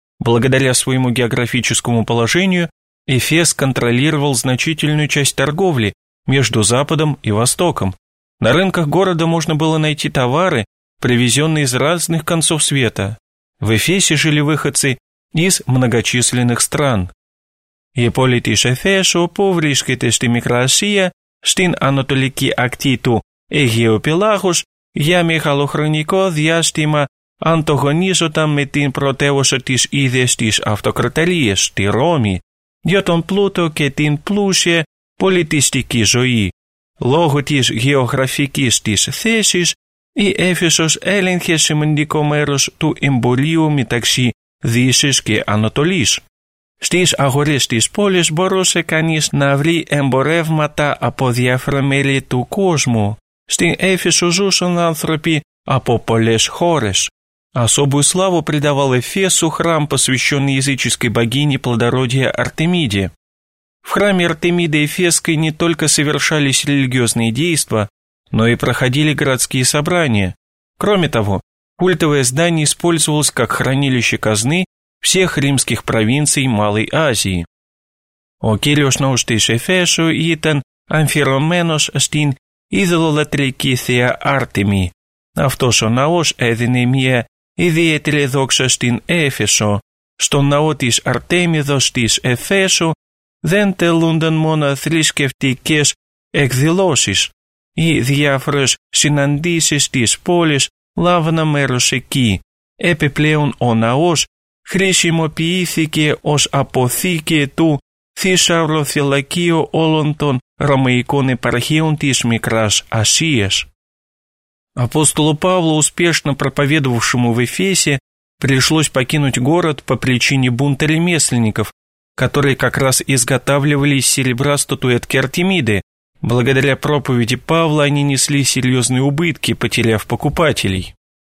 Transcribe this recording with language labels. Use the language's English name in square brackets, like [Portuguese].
[Russian] Благодаря своему географическому положению, Эфес контролировал значительную часть торговли между Западом и Востоком. На рынках города можно было найти товары, привезенные из разных концов света. В Эфесе жили выходцы из многочисленных стран. [Greek] Η πόλη της Εφέσου που βρίσκεται στη Μικρασία, στην ανατολική ακτή του Αιγαίου Πελάγους, για μεγαλοχρονικό διάστημα ανταγωνίζονταν με την πρωτεύουσα της ίδιας της αυτοκρατορίας, τη Ρώμη, για τον πλούτο και την πλούσια πολιτιστική ζωή. Λόγω της γεωγραφικής της θέσης, η Έφεσος έλεγχε σημαντικό μέρος του εμπορίου μεταξύ Δύσης και Ανατολής. Στις αγορές της πόλης μπορούσε κανείς να βρει εμπορεύματα από διάφορα μέλη του κόσμου. Στην Έφεσο ζούσαν άνθρωποι από πολλές χώρες. [Russian] Особую славу придавал Эфесу храм, посвященный языческой богине плодородия Артемиде. В храме Артемиды Эфесской не только совершались религиозные действия, но и проходили городские собрания. Кроме того, культовое здание использовалось как хранилище казны всех римских провинций Малой Азии. [Greek] Ο κύριος ναός της Εφέσου ήταν αμφιερωμένος στην ειδωλολατρική θεία Άρτεμη. Αυτός ο ναός έδινε μια ιδιαίτερη δόξα στην Έφεσο. Στον ναό της Αρτέμιδος της Εφέσου δεν τελούνταν μόνο θρησκευτικές εκδηλώσεις. Οι διάφορες συναντήσεις της πόλης λάβαναν μέρος εκεί. Επιπλέον ο ναός χρησιμοποιήθηκε ως αποθήκη του θησαυροθυλακίου όλων των ρωμαϊκών επαρχείων της Μικράς Ασίας. [Russian] Апостолу Павлу, успешно проповедовавшему в Эфесе, пришлось покинуть город по причине бунта ремесленников, которые как раз изготавливали из серебра статуэтки Артемиды, Благодаря проповеди Павла они несли серьезные убытки, потеряв покупателей.